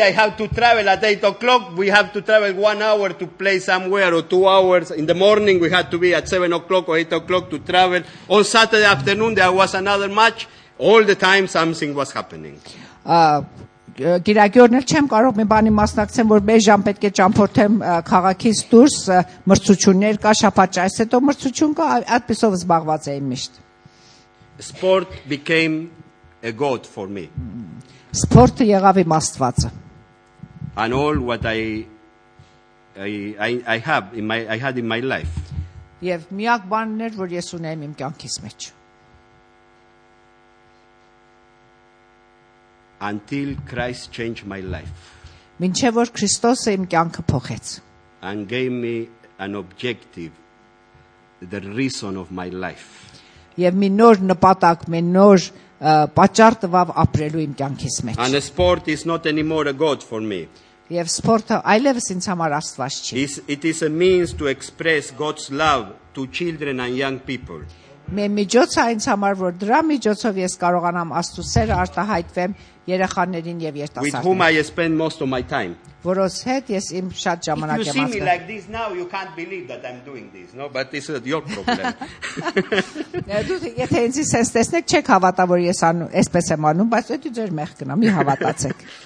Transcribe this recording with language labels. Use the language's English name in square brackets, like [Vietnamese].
[English] I have to travel at 8 o'clock. We have to travel 1 hour to play somewhere, or 2 hours. In the morning we had to be at 7 o'clock or 8 o'clock to travel. On Saturday afternoon there was another match. All the time something was happening. [Armenian] Գիրակյորն էլ չեմ կարող մի բանի մասնակցեմ, որ մեր ժամ պետք է ճամփորդեմ քաղաքից դուրս, մրցություններ կա, շապաճ, այս հետո մրցություն կա, այդպիսով զբաղված էի միշտ. [English] Sport became a god for me. [Armenian] Սպորտը եղավ իմ աստվածը. [English] And all what I had in my life. [Armenian] Եվ միակ բանն էր, որ ես ունեմ իմ կյանքիս մեջ. [English] Until Christ changed my life. [Armenian] Մինչև որ Քրիստոսը իմ կյանքը փոխեց. [English] And gave me an objective, the reason of my life. [Armenian] Եվ մի նոր նպատակ, մի նոր պատճառ տվավ ապրելու իմ կյանքիս մեջ. [English] And sport is not anymore a god for me. [Armenian] Եվ սպորտը այլևս ինձ համար աստված չի. [English] It is a means to express God's love to children and young people. [Armenian] Մե միջոցը ինձ համար, որ դրա միջոցով ես կարողանամ Աստծո սեր արտահայտվեմ երեխաներին եւ երիտասարդներին, որոնց հետ ես իմ շատ ժամանակ եմ ապրում։ [English] You see me like this now, you can't believe that I'm doing this, no, but this is your problem. [Armenian] Դու եթե ինձ ես տեսնեք, չեք հավատա, որ ես անում, այսպես եմ անում, բայց դա ձեր մեղքն է, մի հավատացեք։